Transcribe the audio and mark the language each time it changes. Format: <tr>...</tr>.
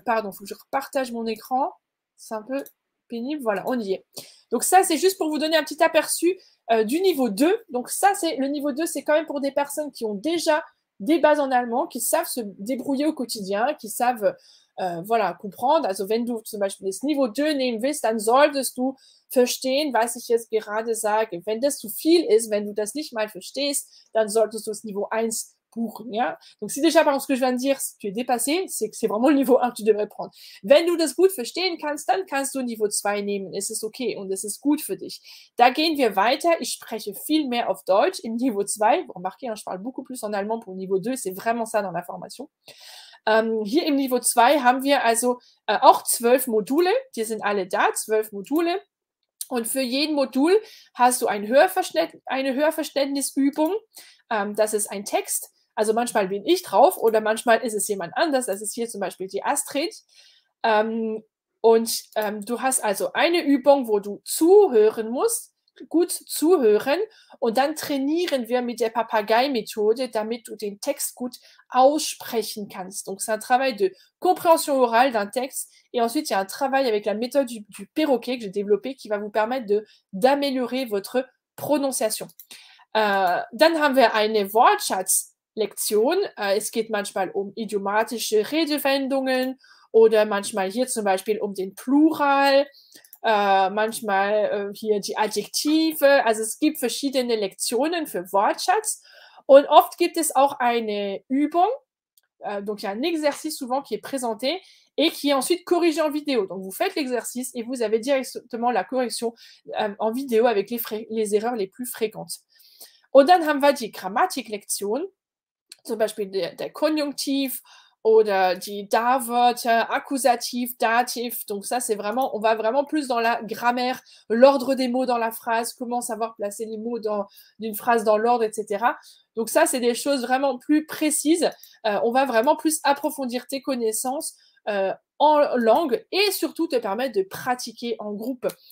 <fr>Pardon, il faut que je repartage mon écran. C'est un peu pénible. Voilà, on y est. Donc ça, c'est juste pour vous donner un petit aperçu du niveau 2. Donc ça, c'est le niveau 2, c'est quand même pour des personnes qui ont déjà des bases en allemand, qui savent se débrouiller au quotidien, qui savent voilà, comprendre.</fr> <de>Also wenn du zum Beispiel das Niveau 2 nehmen willst, dann solltest du verstehen, was ich jetzt gerade sage. Wenn das zu viel ist, wenn du das nicht mal verstehst, dann solltest du das Niveau 1 buchen. Ja?</de> <fr>Donc si déjà par exemple, ce que je viens de dire, tu es dépassé, c'est que c'est vraiment le niveau 1 que tu devrais prendre.</fr> <de>Wenn du das gut verstehen kannst, dann kannst du Niveau 2 nehmen. Es ist okay und es ist gut für dich. Da gehen wir weiter. Ich spreche viel mehr auf Deutsch im Niveau 2.</de> <fr>Vous remarquez, hein, je parle beaucoup plus en allemand pour le niveau 2. C'est vraiment ça dans la formation.</fr> <de>Hier im Niveau 2 haben wir also auch 12 Module. Die sind alle da, 12 Module. Und für jeden Modul hast du eine Hörverständnisübung. Das ist ein Text. Also manchmal bin ich drauf oder manchmal ist es jemand anders. Das ist hier zum Beispiel die Astrid. Und du hast also eine Übung, wo du zuhören musst, gut zuhören. Und dann trainieren wir mit der Papagei-Methode, damit du den Text gut aussprechen kannst.</de> <fr>Donc c'est un travail de compréhension orale d'un texte. Et ensuite, il y a un travail avec la méthode du perroquet que j'ai développé qui va vous permettre d'améliorer votre prononciation.</fr> <de>Dann haben wir eine Wortschatz. Lektion. Es geht manchmal um idiomatische Redewendungen oder manchmal hier zum Beispiel um den Plural, manchmal hier die Adjektive. Also es gibt verschiedene Lektionen für Wortschatz und oft gibt es auch eine Übung,</de> <fr>donc il y a un exercice souvent qui est présenté et qui est ensuite corrigé en vidéo. Donc vous faites l'exercice et vous avez directement la correction en vidéo avec les erreurs les plus fréquentes.</fr> <de>Und dann haben wir die Grammatiklektion. Zum Beispiel der Konjunktiv oder die Da-Wörter, Akkusativ, Dativ.</de> <fr>Donc ça, c'est vraiment, on va vraiment plus dans la grammaire, l'ordre des mots dans la phrase, comment savoir placer les mots dans d'une phrase dans l'ordre, etc. Donc ça, c'est des choses vraiment plus précises. On va vraiment plus approfondir tes connaissances en langue et surtout te permettre de pratiquer en groupe.</fr>